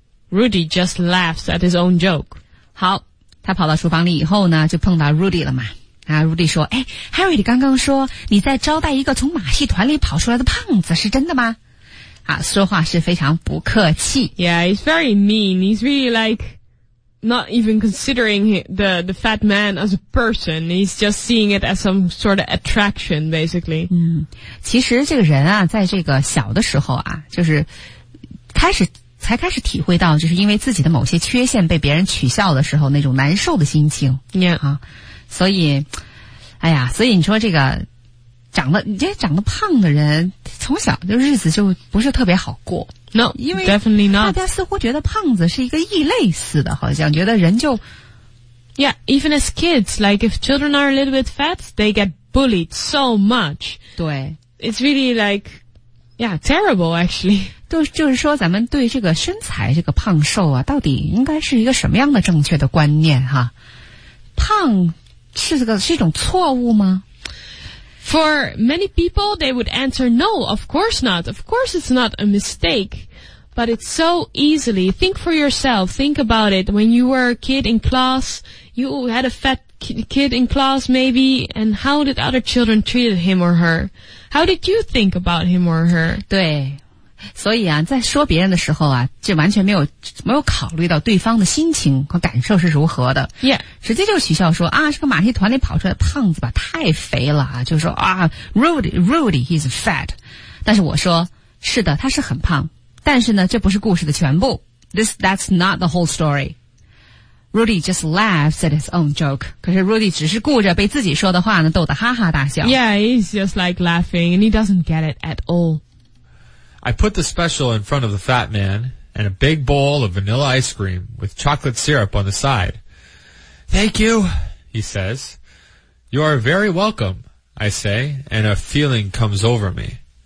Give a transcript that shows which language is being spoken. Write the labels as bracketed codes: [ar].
[en] Rudy just laughs at his own joke. [zh] 好，他跑到厨房里以后呢，就碰到 Rudy 了嘛。啊 ，Rudy 说：“哎 ，Harry， 你刚刚说你在招待一个从马戏团里跑出来的胖子，是真的吗？” 啊，说话是非常不客气。 [en] Yeah, he's very mean. He's really like not even considering the fat man as a person. He's just seeing it as some sort of attraction, basically. [zh] 嗯，其实这个人啊，在这个小的时候啊，就是开始体会到，就是因为自己的某些缺陷被别人取笑的时候那种难受的心情。 [en] Yeah. [zh] 啊。所以，哎呀，所以你说这个长得胖的人，从小就日子就不是特别好过。 [en] No, [zh] 因为 [en] definitely not. [zh] 大家似乎觉得胖子是一个异类似的，好像觉得人就 [en] ，Yeah, even as kids, like if children are a little bit fat, they get bullied so much. [zh] 对 [en] ，It's really like, yeah, terrible actually. [zh] 就是说，咱们对这个身材这个胖瘦啊，到底应该是一个什么样的正确的观念哈？胖是一种错误吗？ [en] For many people, they would answer no, of course not. Of course it's not a mistake. But it's so easily. Think for yourself. Think about it. When you were a kid in class, you had a fat kid in class maybe, and how did other children treated him or her? How did you think about him or her? [zh] 对。所以啊，在说别人的时候啊，就完全没有考虑到对方的心情和感受是如何的。 [en] Yeah. [zh] 直接就取笑说啊，是个马戏团里跑出来的胖子吧，太肥了啊，就说啊 ，Rudy, [en] he's fat. [zh] 但是我说，是的，他是很胖，但是呢，这不是故事的全部。 [en] That's not the whole story. Rudy just laughs at his own joke. [zh] 可是 Rudy 只是顾着被自己说的话呢逗得哈哈大笑。 [en] Yeah, he's just like laughing and he doesn't get it at all. I put the special in front of the fat man and a big bowl of vanilla ice cream with chocolate syrup on the side. Thank you, he says. You are very welcome, I say, and a feeling comes over me.